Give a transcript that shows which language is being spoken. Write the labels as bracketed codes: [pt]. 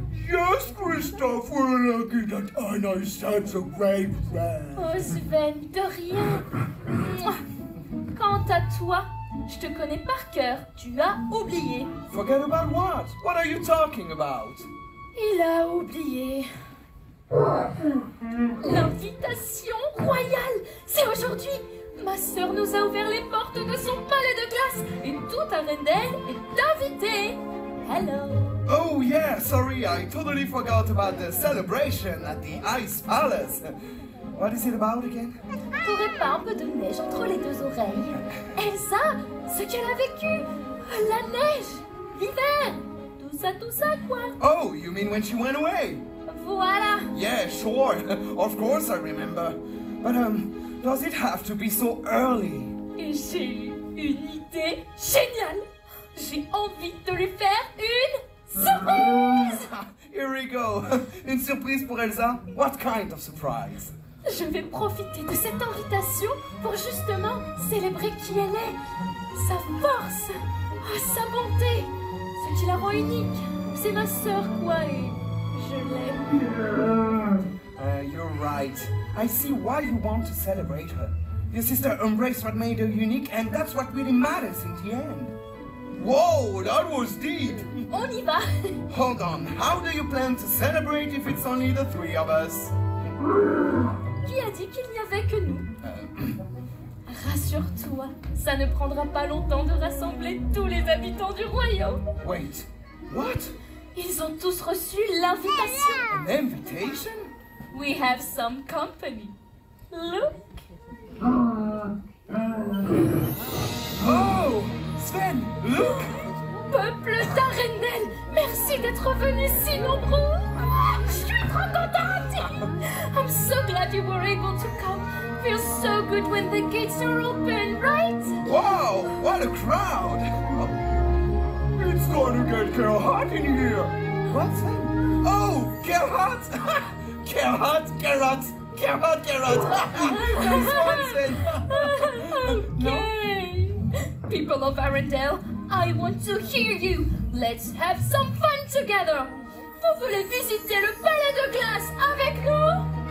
[en] Yes, Kristoff, we're lucky that Anna is such a great friend. [fr] Oh, Sven, de rien. Quant à toi, je te connais par cœur. Tu as oublié. [en] Forget about what? What are you talking about? [fr] Il a oublié. L'invitation royale, c'est aujourd'hui. Ma sœur nous a ouvert les portes de son palais de glace et toute Arendelle est invitée. [en] Hello. Oh yeah, sorry, I totally forgot about the celebration at the Ice Palace. What is it about again? [fr] T'aurais pas un peu de neige entre les deux oreilles? Elsa, ce qu'elle a vécu! La neige! L'hiver! Tout ça quoi? [en] Oh, you mean when she went away? [fr] Voilà! [en] Yeah, sure, of course I remember. But does it have to be so early? [fr] Et j'ai eu une idée géniale! J'ai envie de lui faire une... surprise! [en] Here we go. [fr] Une surprise pour Elsa? [en] What kind of surprise? [fr] Je vais profiter de cette invitation pour justement célébrer qui elle est. Sa force, sa bonté, ce qui la rend unique. C'est ma sœur, quoi, et je l'aime. [en] You're right. I see why you want to celebrate her. Your sister embraced what made her unique, and that's what really matters in the end. Whoa, that was deep! [fr] On y va! [en] Hold on, how do you plan to celebrate if it's only the three of us? [fr] Qui a dit qu'il n'y avait que nous? Rassure-toi, ça ne prendra pas longtemps de rassembler tous les habitants du royaume! [en] Wait, what? [fr] Ils ont tous reçu l'invitation! [en] An invitation? We have some company. Look! Oh! Sven, look! [fr] Peuple d'Arendelle, merci d'être venus si nombreux! Je suis trop contente! [en] I'm so glad you were able to come. Feels so good when the gates are open, right? Wow, what a crowd! It's gonna get Gerhard in here! What? Oh, Gerhard! Gerhard, Gerhard! Gerhard, Gerhard! <He's wanted. laughs> Okay! No? People of Arendelle, I want to hear you. Let's have some fun together. [fr] Vous voulez visiter le palais de glace avec nous?